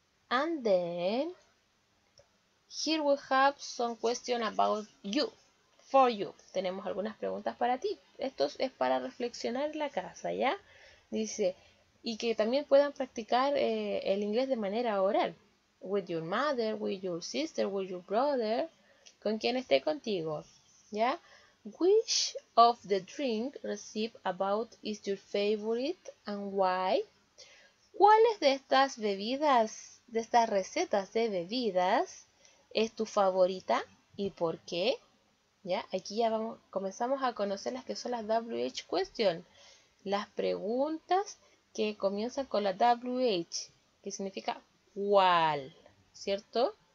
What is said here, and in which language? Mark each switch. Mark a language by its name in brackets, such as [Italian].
[English] And then, here we have some questions about you, for you. [Spanish] Tenemos algunas preguntas para ti. Esto es para reflexionar en la casa, ¿ya? Dice, y que también puedan practicar el inglés de manera oral. [English] With your mother, with your sister, with your brother, [Spanish] con quien esté contigo, [English] ¿ya? Which of the drink received above is your favorite and why? [Spanish] ¿Cuáles de estas bebidas, de estas recetas de bebidas, es tu favorita y por qué? ¿Ya? Aquí ya vamos, comenzamos a conocer las que son las WH question, las preguntas que comienzan con la WH, que significa cuál, ¿cierto?